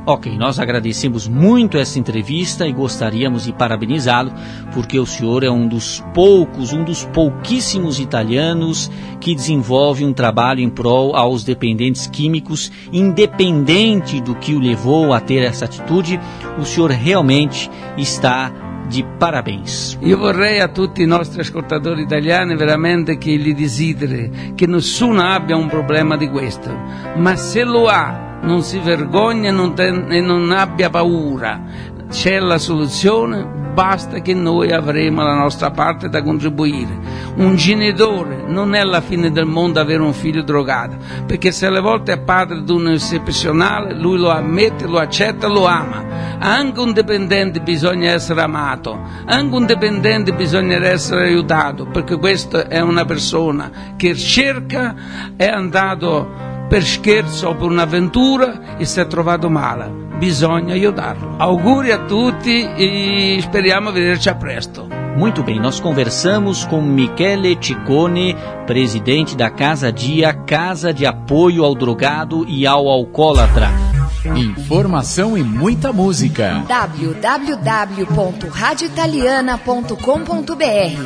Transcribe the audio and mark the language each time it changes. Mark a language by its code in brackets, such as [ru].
[pt] Ok, nós agradecemos muito essa entrevista e gostaríamos de parabenizá-lo, porque o senhor é um dos pouquíssimos italianos que desenvolve um trabalho em prol aos dependentes químicos, independente do que o levou a ter essa atitude. O senhor realmente está de parabéns. [it] Eu vorrei a tutti i nostri ascoltatori italiani veramente che li desidere che nessuno abbia un problema di questo, ma se lo ha non si vergogna e non abbia paura, c'è la soluzione, basta che noi avremo la nostra parte da contribuire. Un genitore non è la fine del mondo avere un figlio drogato, perché se alle volte è padre di un eccezionale, lui lo ammette, lo accetta, lo ama. Anche un dipendente bisogna essere amato, anche un dipendente bisogna essere aiutato, perché questa è una persona che cerca, è andato per scherzo o per un'avventura e si è trovato male. Bisogna aiutarlo. Auguri a tutti e speriamo vederci a presto. [pt] Muito bem, nós conversamos com Michele Ciccone, presidente da Casa Dia, Casa de Apoio ao Drogado e ao Alcoólatra. Informação e muita música. www.radioitaliana.com.br.